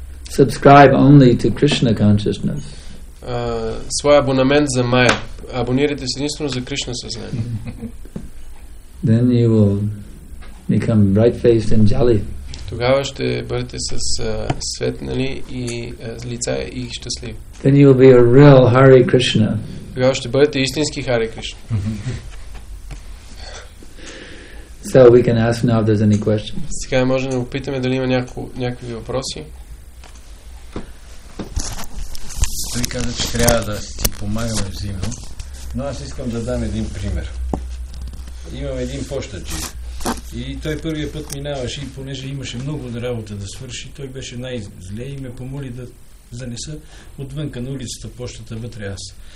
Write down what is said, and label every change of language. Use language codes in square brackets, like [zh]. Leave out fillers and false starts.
[en] subscribe only to Krishna consciousness. [bg] Своя абонамент за Maya. Абонирайте се единствено за Кришна съзнание. [en] Then you will become bright-faced and jolly. [bg] Тогава ще бъдете с светнали и лица и щастливи. [en] Then you will be a real Hare Krishna. [bg] Тогава ще бъдете истински Hare Krishna. [en] So we can ask now if there's any questions. [bg] Сега можем да попитаме дали има някакви въпроси. Той каза, че трябва да си помагаме взаимно. Но аз искам да дам един пример. Имам един пощачи. И той първият път минаваше и понеже имаше много работа да свърши, той беше най-зле и ме помоли да занеса отвънка на улицата пощата вътре аз.